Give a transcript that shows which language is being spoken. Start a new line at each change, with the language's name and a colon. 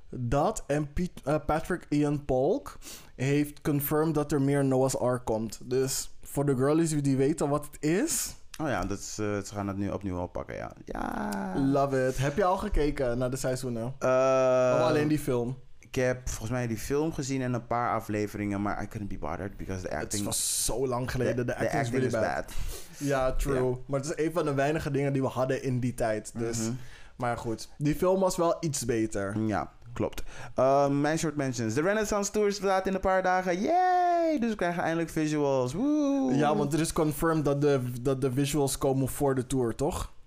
Dutch: Dat en Patrick Ian Polk heeft confirmed dat er meer Noah's Ark komt. Dus voor de girlies die weten wat het is. Oh ja, dat is, ze gaan het nu opnieuw oppakken, ja. Ja.
English: Love it.
Dutch: Heb je al gekeken naar de seizoenen? Of alleen die film? Ik heb volgens mij die film gezien en een paar afleveringen, maar I couldn't be bothered because the acting... Het was zo lang geleden, the acting is really bad. Ja, true. Yeah. Maar het is een van de weinige dingen die we hadden in die tijd, dus... Mm-hmm. Maar goed, die film was wel iets beter. Ja, klopt. Mijn short mentions. De Renaissance Tour is verlaat in een paar dagen. Yay! Dus we krijgen eindelijk visuals. Woo! Ja, want er is confirmed dat de visuals komen voor de tour, toch?